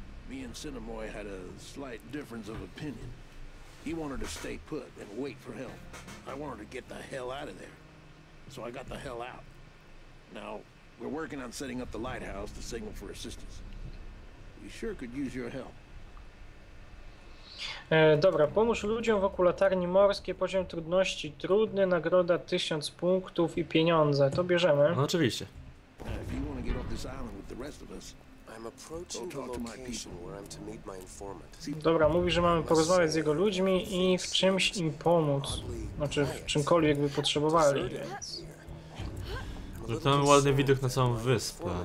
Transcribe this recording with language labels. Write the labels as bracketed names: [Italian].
[English] Me and Cinnamoy had a slight difference of opinion. He wanted to stay put and wait for help. I wanted to get the hell out of there. So I got the hell out. Now, we're working on setting up the lighthouse to signal for assistance. We sure could use your help. [Polish] Dobra, pomóż ludziom wokół latarni morskiej, poziom trudności trudny, nagroda 1000 punktów i pieniądze. To bierzemy. No, oczywiście. [English] If you want to get off this island with the rest of us, I'm approaching the location where I'm to meet my informant. [Polish] Dobra, mówi, że mamy porozmawiać z jego ludźmi i w czymś im pomóc. Znaczy, w czymkolwiek by potrzebowali. No to mamy ładny widok na całą wyspę.